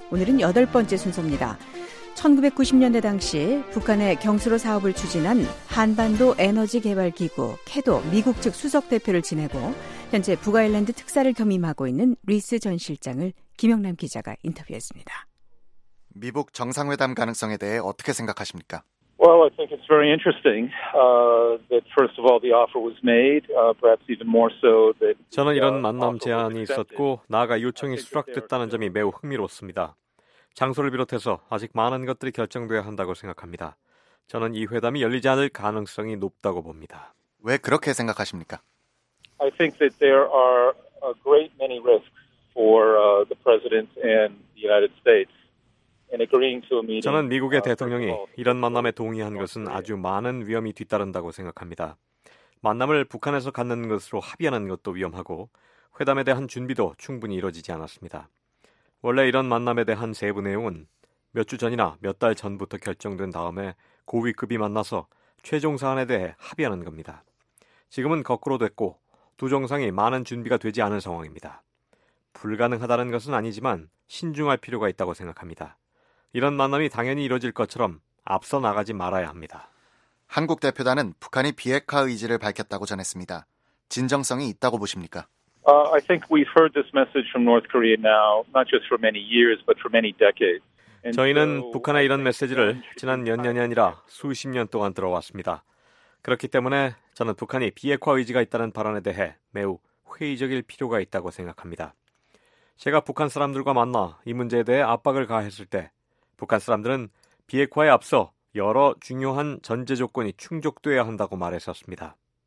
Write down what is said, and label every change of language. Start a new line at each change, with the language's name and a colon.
Korean: 오늘은 여덟 번째 순서입니다. 1990년대 당시 북한의 경수로 사업을 추진한 한반도 에너지 개발 기구 캐도 미국 측 수석 대표를 지내고 현재 북아일랜드 특사를 겸임하고 있는 리스 전 실장을 김영남 기자가 인터뷰했습니다. 미북 정상회담 가능성에 대해 어떻게 생각하십니까?
English: Well, I think it's very interesting that first of all the offer was made, perhaps even more so that
Korean: 저는 이런 만남 제안이 있었고 나아가 요청이 수락됐다는 점이 매우 흥미롭습니다. 장소를 비롯해서 아직 많은 것들이 결정돼야 한다고 생각합니다. 저는 이 회담이 열리지 않을 가능성이 높다고 봅니다. 왜 그렇게 생각하십니까?
English: I think that there are a great many risks for the president and the United States in agreeing to a meeting.
Korean: 저는 미국의 대통령이 이런 만남에 동의한 것은 아주 많은 위험이 뒤따른다고 생각합니다. 만남을 북한에서 갖는 것으로 합의하는 것도 위험하고 회담에 대한 준비도 충분히 이루어지지 않았습니다. 원래 이런 만남에 대한 세부 내용은 몇 주 전이나 몇 달 전부터 결정된 다음에 고위급이 만나서 최종 사안에 대해 합의하는 겁니다. 지금은 거꾸로 됐고 두 정상이 많은 준비가 되지 않은 상황입니다. 불가능하다는 것은 아니지만 신중할 필요가 있다고 생각합니다. 이런 만남이 당연히 이루어질 것처럼 앞서 나가지 말아야 합니다. 한국 대표단은 북한이 비핵화 의지를 밝혔다고 전했습니다. 진정성이 있다고 보십니까?
English: I think we've heard this message from North Korea now, not just for many years, but for many decades.
Korean: 저희는 북한의 이런 메시지를 지난 몇 년이 아니라 수십 년 동안 들어왔습니다. 그렇기 때문에 저는 북한이 비핵화 의지가 있다는 발언에 대해 매우 회의적일 필요가 있다고 생각합니다. 제가 북한 사람들과 만나 이 문제에 대해 압박을 가했을 때 북한 사람들은 비핵화에 앞서 여러 중요한 전제 조건이 충족돼야 한다고 말했었습니다.